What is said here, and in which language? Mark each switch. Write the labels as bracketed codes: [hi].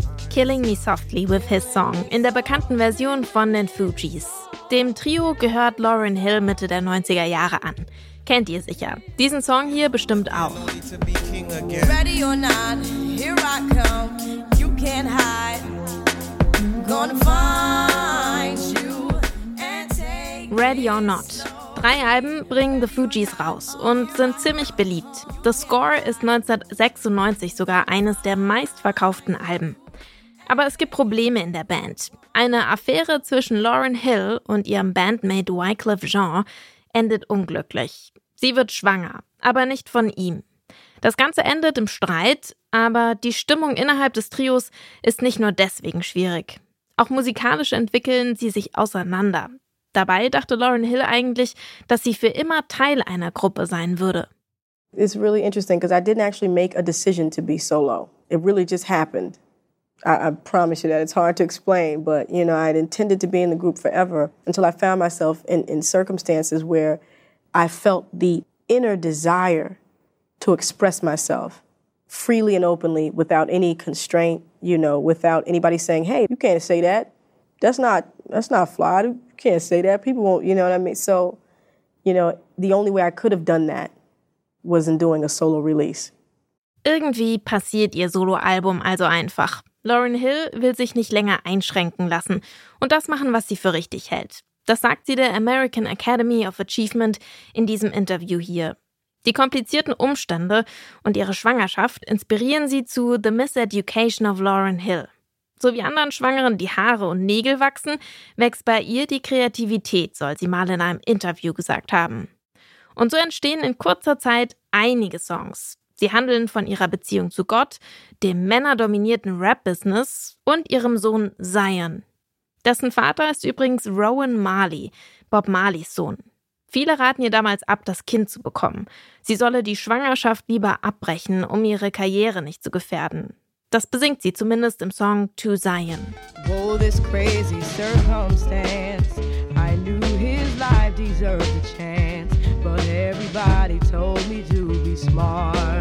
[de] Killing Me Softly with His Song in der bekannten Version von den Fugees. Dem Trio gehört Lauryn Hill Mitte der 90er Jahre an. Kennt ihr sicher. Diesen Song hier bestimmt auch. [en] Ready or not, here I come, you can't hide, gonna find you and take it. Ready or not. [de] 3 Alben bringen The Fugees raus und sind ziemlich beliebt. The Score ist 1996 sogar eines der meistverkauften Alben. Aber es gibt Probleme in der Band. Eine Affäre zwischen Lauryn Hill und ihrem Bandmate Wyclef Jean endet unglücklich. Sie wird schwanger, aber nicht von ihm. Das Ganze endet im Streit, aber die Stimmung innerhalb des Trios ist nicht nur deswegen schwierig. Auch musikalisch entwickeln sie sich auseinander. Dabei dachte Lauryn Hill eigentlich, dass sie für immer Teil einer Gruppe sein würde. [en] It's really interesting because I didn't actually make a decision to be solo. It really just happened. I promise you that it's hard to explain, but you know, I'd intended to be in the group forever until I found myself in circumstances where I felt the inner desire to express myself freely and openly without any constraint, you know, without anybody saying, hey, you can't say that. That's not fly. You can't say that. People won't, you know what I mean? So, you know, the only way I could have done that was in doing a solo release. [de] Irgendwie passiert ihr Soloalbum also einfach. Lauryn Hill will sich nicht länger einschränken lassen und das machen, was sie für richtig hält. Das sagt sie der American Academy of Achievement in diesem Interview hier. Die komplizierten Umstände und ihre Schwangerschaft inspirieren sie zu The Miseducation of Lauryn Hill. So wie anderen Schwangeren die Haare und Nägel wachsen, wächst bei ihr die Kreativität, soll sie mal in einem Interview gesagt haben. Und so entstehen in kurzer Zeit einige Songs. Sie handeln von ihrer Beziehung zu Gott, dem männerdominierten Rap-Business und ihrem Sohn Zion. Dessen Vater ist übrigens Rowan Marley, Bob Marleys Sohn. Viele raten ihr damals ab, das Kind zu bekommen. Sie solle die Schwangerschaft lieber abbrechen, um ihre Karriere nicht zu gefährden. Das besingt sie zumindest im Song To Zion. [en] Oh, this crazy circumstance. I knew his life deserved a chance. But everybody told me to be smart.